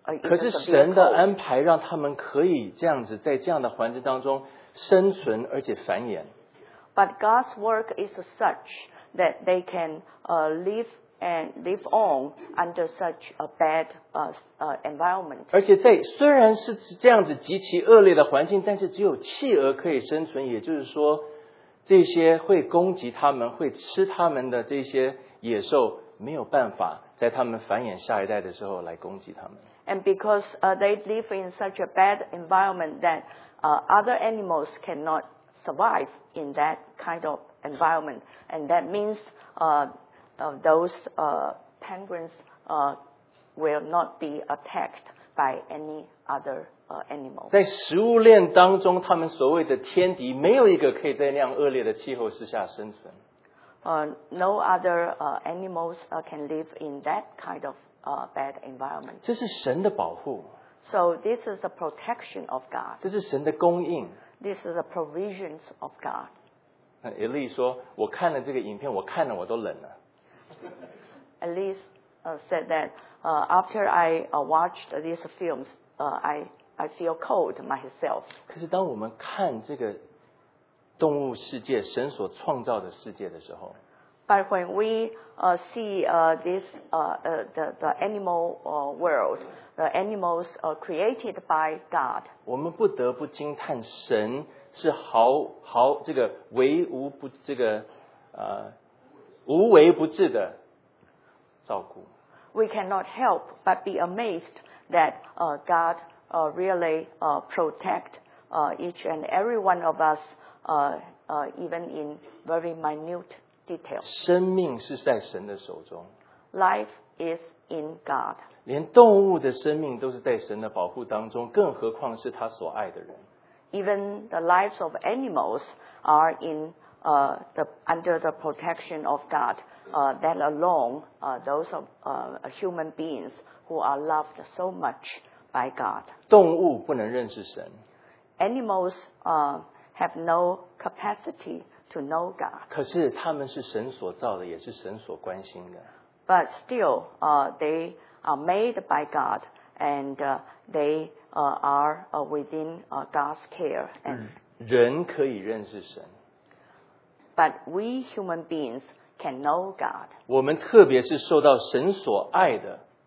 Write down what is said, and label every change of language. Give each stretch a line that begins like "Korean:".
Chinese: 可是神的安排让他们可以这样子在这样的环境当中生存而且繁衍。
English: But God's work is such that they can live on under such a bad environment.
Chinese: 而且在虽然是这样子极其恶劣的环境，但是只有企鹅可以生存，也就是说这些会攻击他们会吃他们的这些野兽没有办法在他们繁衍下一代的时候来攻击他们。
English: And because they live in such a bad environment that other animals cannot survive in that kind of environment. And that means those penguins will not be attacked by any other animals.
Chinese: 在食物链当中，他们所谓的天敌，没有一个可以在那样恶劣的气候之下生存。
English: No other animals can live in that kind of bad environment.
Chinese: 这是神的保护。
English: So this is the protection of God.
Chinese: 这是神的供应。
English: This is the provisions of God.
Chinese: Eli 说：“我看了这个影片，我看了我都冷了。”
English: Elise said that after I watched these films, I feel cold myself.
Chinese: 可是当我们看这个动物世界神所创造的世界的时候。
English: But when we see this the animal world, the animals created by God.
Chinese: 我们不得不惊叹神是毫这个唯无不这个无微不至的照顾。
English: We cannot help but be amazed that God really protect each and every one of us even in very minute detail.
Chinese: 生命是在神的手中。
English: Life is in God.
Chinese: 连动物的生命都是在神的保护当中，更何况是他所爱的人。
English: Even the lives of animals are in under the protection of God. That alone, those of human beings who are loved so much by God.
Chinese: 动物不能认识神。
English: Animals have no capacity to know God.
Chinese: 可是他们是神所造的，也是神所关心的。
English: But still, they are made by God, and they are within God's care.
Chinese: 人可以认识神。
English: But we human beings can know God.
Chinese: 我们特别是受到神所爱的。